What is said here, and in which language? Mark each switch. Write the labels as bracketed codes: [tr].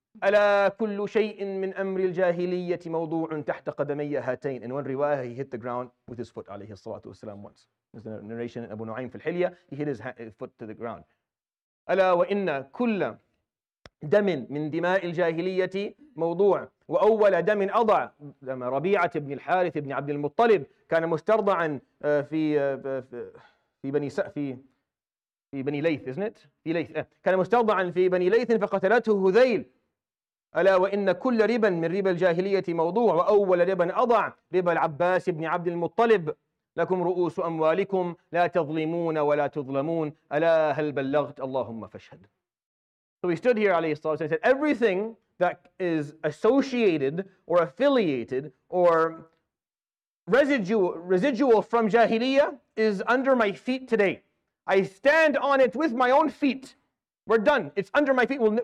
[ar] ألا كل شيء من أمر الجاهلية موضوع تحت قدمي هاتين. [en] In one riwayah, he hit the ground with his foot, عليه الصلاة والسلام, once. There's a narration in Abu Nu'aym [ar] في الحلية, [en] he hit his foot to the ground. [ar] ألا وإن كل دم من دماء الجاهلية موضوع وأول دم أضع لما ربيعة بن الحارث بن عبد المطلب كان مسترضعا في بني سأفي في بني ليث, [en] isn't it? [ar] في ليث. كان مسترضعا في بني ليث فقتلته هذيل. ألا وإن كل ربا من ربا الجاهلية موضوع وأول ربا أضع ربا العباس بن عبد المطلب لكم رؤوس أموالكم لا تظلمون ولا تظلمون ألا هل بلغت اللهم فاشهد. [en] So we stood here عليه الصلاة والسلام and said, everything that is associated or affiliated or residual from jahiliyyah is under my feet today. I stand on it with my own feet. We're done. It's under my feet.